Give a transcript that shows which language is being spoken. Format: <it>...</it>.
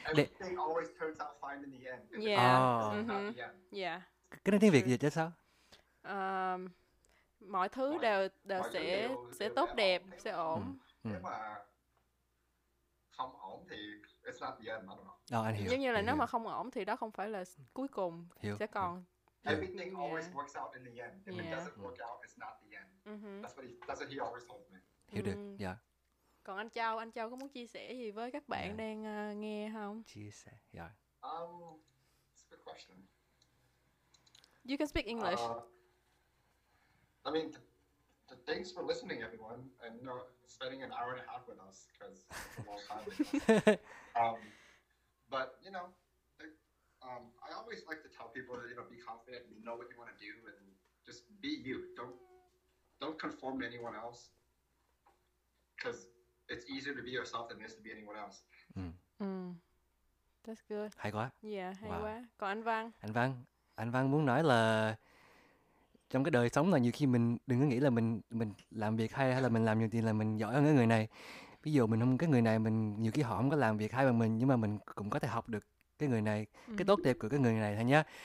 <en>Everything always turns out fine in the end. Yeah.</en> <vi>Cái này tiếng Việt dịch sao? Mọi thứ đều sẽ tốt đẹp, sẽ ổn. Không ổn thì</vi> <en>it's not the end, I don't know.</en> <vi>Oh, giống như là nếu mà không ổn thì đó không phải là cuối cùng, hiểu. Sẽ còn.</vi> <en>Everything always works out in the end. If it doesn't work out, it's not the end. That's what he always told me.</en> <vi>Hiểu được, dạ. Còn anh Châu có muốn chia sẻ gì với các bạn đang nghe không? Chia sẻ, dạ.</vi> <en>It's a good question. You can speak English. I mean, thanks for listening, everyone, and spending an hour and a half with us, because it's a long time. But, you know, I always like to tell people that, you know, be confident, and know what you want to do, and just be you. Don't conform to anyone else, because it's easier to be yourself than it is to be anyone else. That's good.</en> <vi>Hay quá. Yeah, hay quá. Còn anh Văn? Anh Văn muốn nói là trong cái đời sống là nhiều khi mình đừng có nghĩ là mình làm việc hay là mình làm nhiều tiền là mình giỏi hơn cái người này. Ví dụ mình không cái người này, mình nhiều khi họ không có làm việc hay bằng mình, nhưng mà mình cũng có thể học được cái người này, cái tốt đẹp của cái người này thôi nhá.</vi>